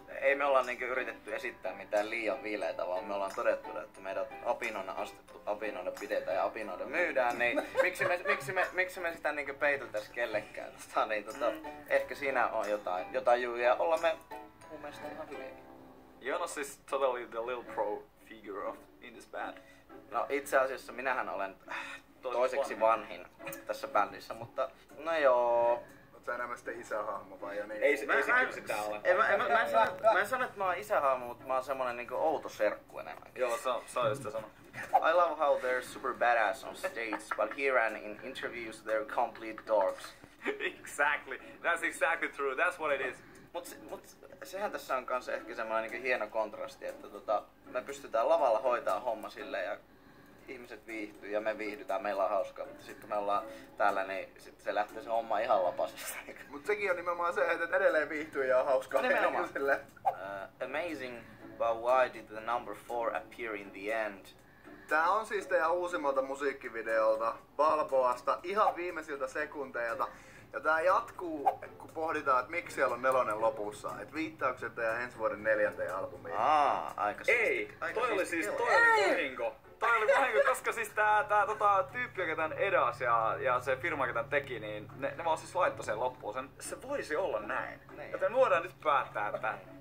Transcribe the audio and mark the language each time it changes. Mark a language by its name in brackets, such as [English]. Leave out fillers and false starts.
[Finnish] Ei me olla niinku yritetty esittää mitään liian viileitä, vaan me ollaan todettu, että meidät apinoina astettu, apinoina pidetään ja apinoina myydään, niin miksi me sitä niinku peiteltäis kellekään? Tota, niin tota, ehkä siinä on jotain juuja. Olla me mun mielestä ihan hyviäkin. [English] Joonas is totally the little pro figure of in this band. [Finnish] No itse asiassa minähän olen toiseksi vanhin tässä bändissä, mutta no joo. Oletko enemmän sitten isähahmo vai jo niin? Ei se kyllä sitä ole. Mä en sano, että mä oon isähahmo, mutta mä oon semmonen niinku outo serkku enemmän. Joo, se on just sama. [English] I love how they're super badass on stage, but here and in interviews they're complete dorks. Exactly. That's exactly true. That's what it is. [Finnish] Mut sehän tässä on kans ehkä semmoinen niin hieno kontrasti, että tota, me pystytään lavalla hoitaa homma silleen ja ihmiset viihtyy ja me viihdytään, meillä on hauskaa, mutta sitten kun me ollaan täällä, niin sit se lähtee se homma ihan lapasesta. Mut sekin on nimenomaan se, että edelleen viihtyy ja on hauskaa. Nimenomaan. [English] Amazing, but why did the number 4 appear in the end? [Finnish] Tää on siis teidän uusimmalta musiikkivideolta, Balboasta, ihan viimeisiltä sekunteilta. Ja tää jatkuu, kun pohditaan, että miksi siellä on nelonen lopussa. Että viittaukset ja ensi vuoden neljänteen albumiin. Aika ei, toi oli siis, toi oli vahinko, koska siis tää tyyppi, joka tän edas ja se firma, joka tän teki, niin ne vaan siis laittoi sen loppuun. Se voisi olla näin. Joten me voidaan nyt päättää, että